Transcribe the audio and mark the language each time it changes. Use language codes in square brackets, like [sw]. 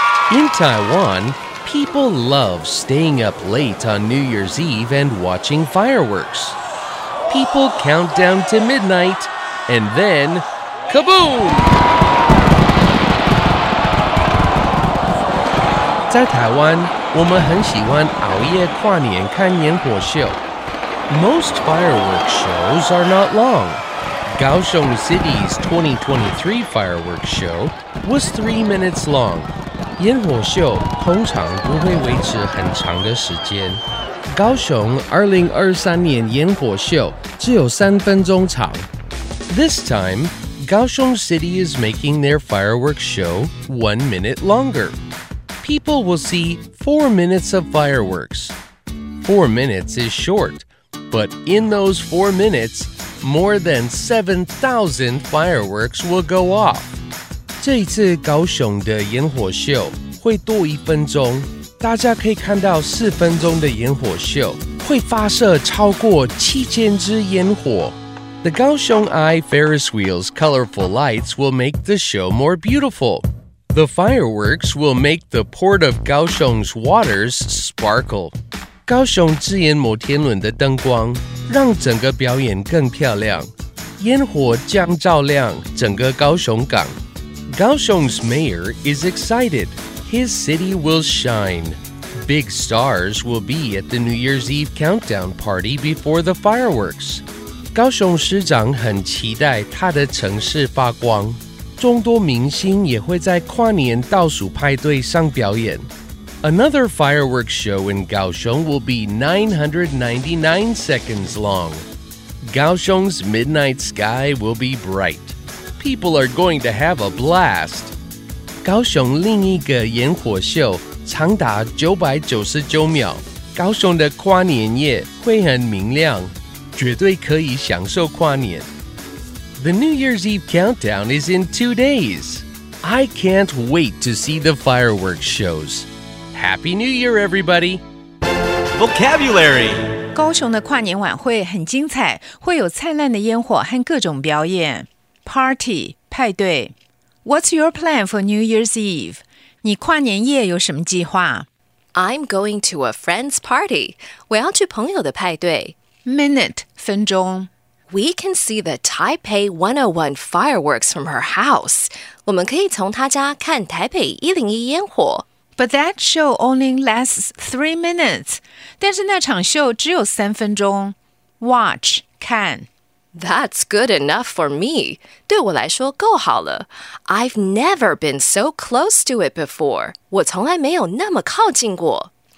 [en] In Taiwan, people love staying up late on New Year's Eve and watching fireworks. People count down to midnight, and then, kaboom! [zh] 在台湾，我们很喜欢熬夜跨年看烟火秀。 [en] Most fireworks shows are not long. Kaohsiung City's 2023 fireworks show was 3 minutes long. [zh] 烟火秀通常不会维持很长的时间。高雄2023年烟火秀只有三分钟长。 [en] This time, Kaohsiung City is making their fireworks show 1 minute longer. People will see 4 minutes of fireworks. 4 minutes is short, but in those 4 minutes, more than 7,000 fireworks will go off. [zh] 这一次高雄的烟火秀会多一分钟。大家可以看到四分钟的烟火秀会发射超过7000支烟火。 [en] The Kaohsiung Eye Ferris Wheel's colorful lights will make the show more beautiful. The fireworks will make the Port of Kaohsiung's waters sparkle. [zh] 高雄之眼摩天轮的灯光让整个表演更漂亮。烟火将照亮整个高雄港。 [en] Kaohsiung's mayor is excited. His city will shine. Big stars will be at the New Year's Eve countdown party before the fireworks. [zh] 高雄市长很期待他的城市发光。众多明星也会在跨年倒数派对上表演。 [en] Another fireworks show in Kaohsiung will be 999 seconds long. Kaohsiung's midnight sky will be bright. People are going to have a blast. [zh] 高雄另一个烟火秀长达999秒，高雄的跨年夜会很明亮，绝对可以享受跨年。 [en] The New Year's Eve countdown is in 2 days. I can't wait to see the fireworks shows. Happy New Year, everybody! Vocabulary. [zh] 高雄的跨年晚会很精彩，会有灿烂的烟火和各种表演。 [en] Party, 派对。What's your plan for New Year's Eve? [zh] 你跨年夜有什么计划? [en] I'm going to a friend's party. [zh] 我要去朋友的派对。 [en] Minute, 分钟。 We can see the Taipei 101 fireworks from her house. [zh] 我们可以从她家看台北101烟火。 [en] But that show only lasts 3 minutes. [zh] 但是那场秀只有三分钟。 [en] Watch, 看。 That's good enough for me. [zh] 对我来说够好了。 [en] I've never been so close to it before. [zh] 我从来没有那么靠近过。